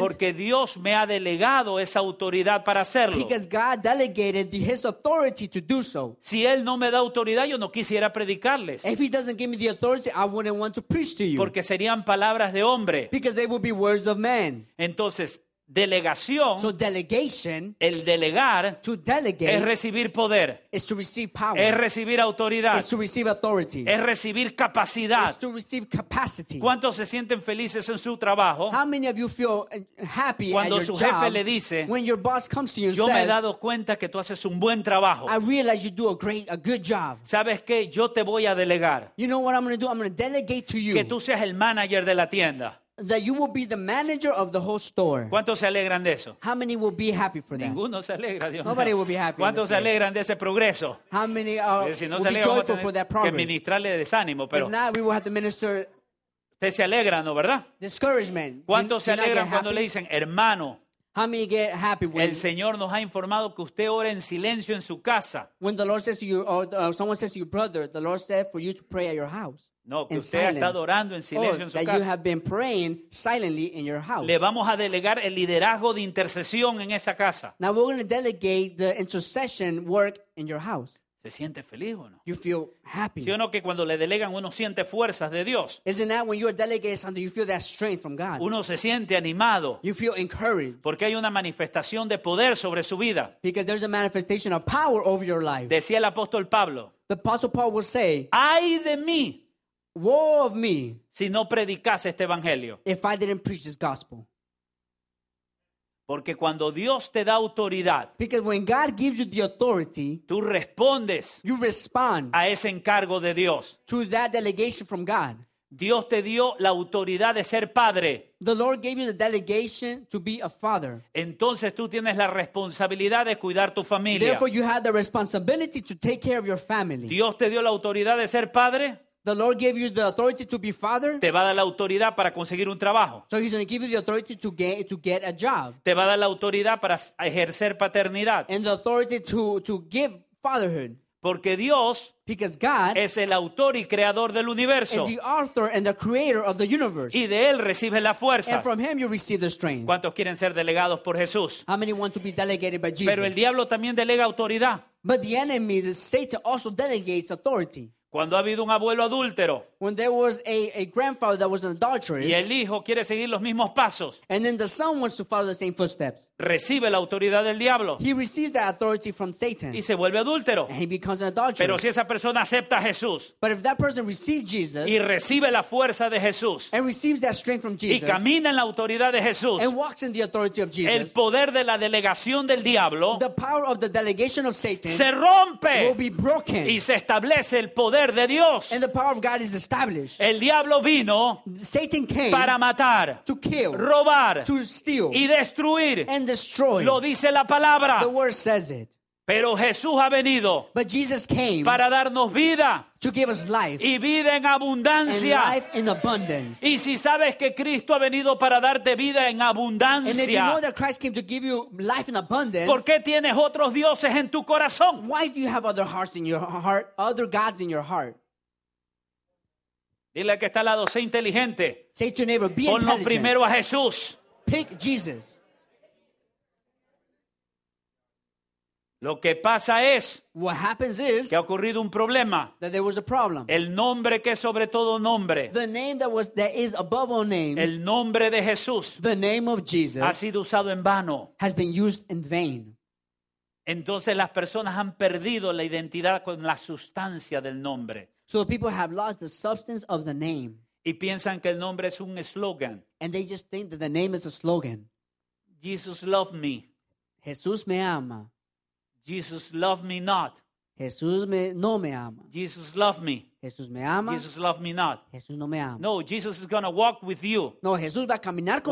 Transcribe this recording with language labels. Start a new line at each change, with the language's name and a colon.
Spanish: Porque Dios me ha delegado esa autoridad para hacerlo.
English: Because God delegated his authority to do so.
Spanish: Si él no me da autoridad, yo no quisiera predicarles.
English: If he doesn't give me the authority, I wouldn't want to preach to you.
Spanish: Porque serían palabras de hombre.
English: Because they would be words of man.
Spanish: Entonces, delegación,
English: so delegation,
Spanish: el delegar,
English: to delegate,
Spanish: es recibir poder,
English: is to receive power,
Spanish: es recibir autoridad,
English: is to receive authority,
Spanish: es recibir capacidad,
English: is to receive capacity.
Spanish: ¿Cuántos se sienten felices en su trabajo?
English: How many of you feel happy
Spanish: cuando
English: at
Spanish: su
English: your
Spanish: jefe
English: job,
Spanish: le dice,
English: when your boss comes to you and
Spanish: yo
English: says,
Spanish: me he dado cuenta que tú haces un buen trabajo.
English: I realize you do a good job.
Spanish: ¿Sabes qué? Yo te voy a delegar.
English: You know what I'm going to do? I'm going to delegate to you.
Spanish: Que tú seas el manager de la tienda.
English: That you will be the manager of the whole store.
Spanish: ¿Cuántos se alegran de eso?
English: How many will be happy for that?
Spanish: Ninguno se alegra, Dios.
English: Nobody will be happy.
Spanish: ¿Cuántos se alegran de ese progreso?
English: How many will be joyful for that progress?
Spanish: Que ministrarle desánimo, pero
English: if not, we will have to minister.
Spanish: ¿Usted se alegra, no, verdad?
English: Discouragement.
Spanish: ¿Cuántos se alegran cuando le dicen, hermano?
English: How many get happy when
Spanish: el Señor nos ha informado que usted ora en silencio en su casa?
English: When the Lord says to you, or someone says to your brother, the Lord said for you to pray at your house.
Spanish: No, que usted ha estado orando en silencio en su casa.
English: That you have been praying silently in your house.
Spanish: Le vamos a delegar el liderazgo de intercesión en esa casa.
English: Now we're going to delegate the intercession work in your house.
Spanish: ¿Se siente feliz o no?
English: You feel happy.
Spanish: ¿Sí o no que cuando le delegan uno siente fuerzas de Dios?
English: Isn't that when you are delegated something, you feel that strength from God?
Spanish: Uno se siente animado.
English: You feel encouraged.
Spanish: Porque hay una manifestación de poder sobre su vida.
English: Because there's a manifestation of power over your life.
Spanish: Decía el apóstol Pablo.
English: The apostle Paul will say,
Spanish: ¡ay de mí!
English: Woe of me!
Spanish: Si no predicase este evangelio.
English: If I didn't preach this gospel.
Spanish: Porque cuando Dios te da autoridad,
English: because when God gives you the authority,
Spanish: tú respondes,
English: you respond
Spanish: a ese encargo de Dios,
English: to that delegation from God.
Spanish: Dios te dio la autoridad de ser padre.
English: The Lord gave you the delegation to be a father.
Spanish: Entonces tú tienes la responsabilidad de cuidar tu familia.
English: Therefore you have the responsibility to take care of your family.
Spanish: Dios te dio la autoridad de ser padre.
English: The Lord gave you the authority to be father.
Spanish: Te va a dar la autoridad para conseguir un trabajo.
English: So he's going to give you the authority to get a job.
Spanish: Te va a dar la autoridad para ejercer paternidad.
English: And the authority to give fatherhood.
Spanish: Porque Dios,
English: because God,
Spanish: es el autor y creador del universo.
English: Is the author and the creator of the universe.
Spanish: Y de él recibes la fuerza.
English: And from him you receive the strength.
Spanish: ¿Cuántos quieren ser delegados por Jesús?
English: How many want to be delegated by Jesus?
Spanish: Pero el diablo también delega autoridad.
English: But the enemy, the Satan, also delegates authority.
Spanish: Cuando ha habido un abuelo adúltero.
English: When there was a grandfather that was an adulteress.
Spanish: Y el hijo quiere seguir los mismos pasos.
English: And then the son wants to follow the same footsteps.
Spanish: Recibe la autoridad del diablo.
English: He receives that authority from Satan.
Spanish: Y se vuelve adúltero.
English: And he becomes an adulteress.
Spanish: Pero si esa persona acepta a Jesús.
English: But if that person receives Jesus.
Spanish: Y recibe la fuerza de Jesús.
English: And receives that strength from Jesus.
Spanish: Y camina en la autoridad de Jesús.
English: And walks in the authority of Jesus.
Spanish: El poder de la delegación del diablo.
English: The power of the delegation of Satan.
Spanish: Se rompe.
English: Will be broken.
Spanish: Y se establece el poder de Dios.
English: And the power of God is established.
Spanish: El diablo vino,
English: Satan came,
Spanish: para matar,
English: to kill,
Spanish: robar,
English: to steal,
Spanish: y destruir,
English: and destroy.
Spanish: Lo dice la palabra.
English: The word says it.
Spanish: Pero Jesús ha venido,
English: but Jesus came,
Spanish: para darnos vida,
English: to give us life,
Spanish: y vida en abundancia,
English: and life in abundance.
Spanish: Y si sabes que Cristo ha venido para darte vida en abundancia,
English: and if you know that Christ came to give you life in abundance,
Spanish: ¿por qué tienes otros dioses en tu corazón?
English: Why do you have other hearts in your heart, other gods in your heart?
Spanish: Dile que está al lado, sé inteligente.
English: Say to your neighbor, be
Spanish: ponlo
English: intelligent.
Spanish: Ponlo primero a Jesús.
English: Pick Jesus.
Spanish: Lo que pasa es,
English: what happens is,
Spanish: que ha ocurrido un problema.
English: That there was a problem.
Spanish: El nombre que es sobre todo nombre.
English: The name that is above all names.
Spanish: El nombre de Jesús.
English: The name of Jesus.
Spanish: Ha sido usado en vano.
English: Has been used in vain.
Spanish: Entonces las personas han perdido la identidad con la sustancia del nombre.
English: So people have lost the substance of the name.
Spanish: Y piensan que el nombre es un eslogan.
English: And they just think that the name is a slogan. Jesus love me.
Spanish: Jesús me ama.
English: Jesus love me not.
Spanish: Jesús me no me ama.
English: Jesus love me.
Spanish: Jesús me ama.
English: Jesus love me not.
Spanish: Jesús no me ama.
English: No, Jesus is going to walk with you.
Spanish: No, Jesús va a caminar contigo.